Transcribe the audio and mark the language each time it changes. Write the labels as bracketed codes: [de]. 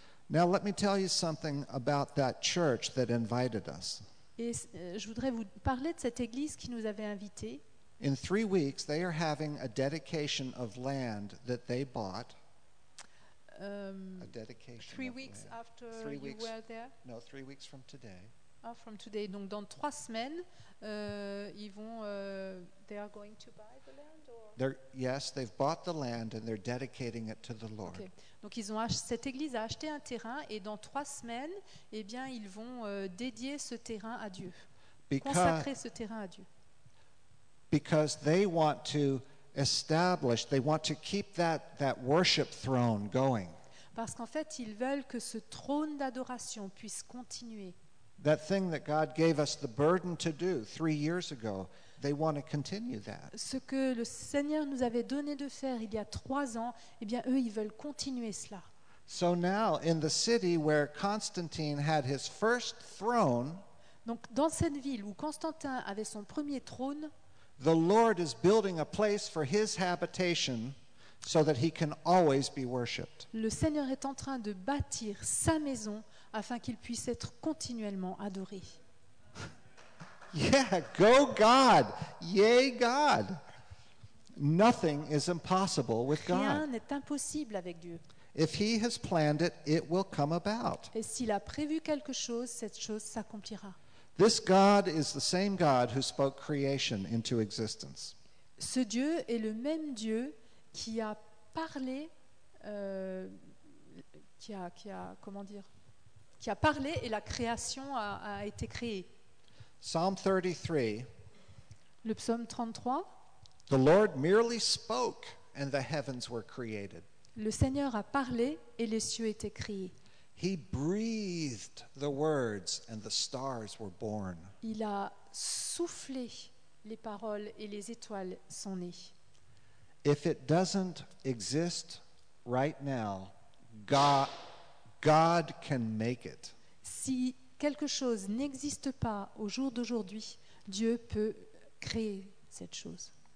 [en] Now let me tell you something about that church that invited us. [fr] Et je voudrais vous parler de cette église qui nous avait invités. [en] In 3 weeks, they are having a dedication of land that they bought. A dedication. 3 weeks land. After three you weeks, were there. No, 3 weeks from today. Ah, from today. [fr] Donc dans 3 semaines, ils vont. [en] They are going to buy the land. Yes, they've bought the land and they're dedicating it to the Lord. Okay. [fr] Donc ils ont cette église a acheté un terrain et dans 3 semaines, eh bien, ils vont dédier ce terrain à Dieu. Consacrer ce terrain à Dieu. [en] Because they want to establish, they want to keep that worship throne going. [fr] Parce qu'en fait, ils veulent que ce trône d'adoration puisse continuer. [en] That thing that God gave us the burden to do 3 years ago. They want to continue that. [fr] Ce que le Seigneur nous avait donné de faire il y a 3 ans, eh bien, eux, ils veulent continuer cela. [en] So now, in the city where Constantine had his first throne, [fr] donc dans cette ville où Constantin avait son premier trône, [en] the Lord is building a place for his habitation so that he can always be worshipped. [fr] Le Seigneur est en train de bâtir sa maison afin qu'il puisse être continuellement adoré. [en] Yeah, go God. Yay God. Nothing is impossible with God. [fr] Rien n'est impossible avec Dieu. [en] If he has planned it, it will come about. [fr] Et s'il a prévu quelque chose, cette chose s'accomplira. [en] This God is the same God who spoke creation into existence. [fr] Ce Dieu est le même Dieu qui a parlé qui a parlé et la création a été créée. [en] Psalm 33. [fr] Le psaume 33. [en] The Lord merely spoke and the heavens were created. [fr] Le Seigneur a parlé et les cieux étaient créés. [en] He breathed the words and the stars were born. [fr] Il a soufflé les paroles et les étoiles sont nées. [en] If it doesn't exist right now, God can make it. [fr] Si quelque chose n'existe pas au jour d'aujourd'hui, Dieu peut créer cette chose.